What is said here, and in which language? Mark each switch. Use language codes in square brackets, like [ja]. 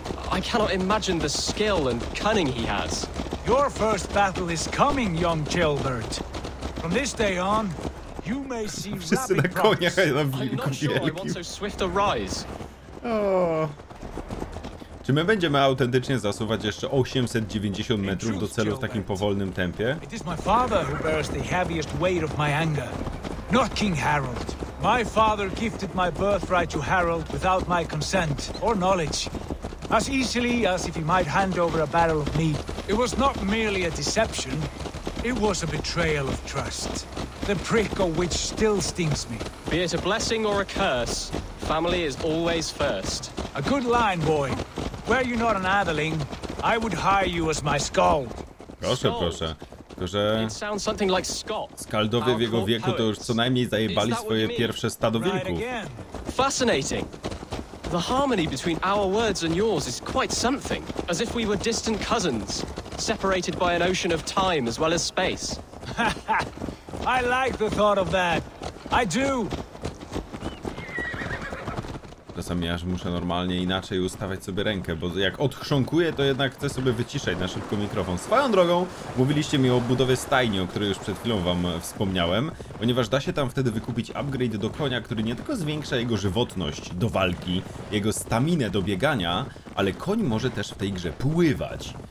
[en] I cannot imagine the skill and cunning he has. Your first battle is coming, young Chilbert. From this day on, you may see rapid progress. I'm not sure I want so swift a rise. Oh. [pl] Czy my będziemy autentycznie zasuwać jeszcze 890 metrów do celu w takim powolnym tempie? [en] It is my father who bears the heaviest weight of my anger. Not King Harald. My father gifted my birthright to Harald without my consent or knowledge. As easily as if he might hand over a barrel of meat. It was not merely a deception. It was a betrayal of trust. The prick of which still stings me. Be it a blessing or a curse, family is always first. A good line, boy. Were you not an adeling, I would hire you as my skald. [pl] Proszę, proszę. Tylko, że skaldowie w jego wieku to już co najmniej zajebali swoje pierwsze stado wilków. [en] Fascinating. The harmony between our words and yours is quite something, as if we were distant cousins, separated by an ocean of time as well as space. I like the thought of that. I do. [pl] Czasami aż muszę normalnie inaczej ustawiać sobie rękę, bo jak odchrząkuję, to jednak chcę sobie wyciszać na szybko mikrofon. Swoją drogą, mówiliście mi o budowie stajni, o której już przed chwilą wam wspomniałem, ponieważ da się tam wtedy wykupić upgrade do konia, który nie tylko zwiększa jego żywotność do walki, jego staminę do biegania, ale koń może też w tej grze pływać.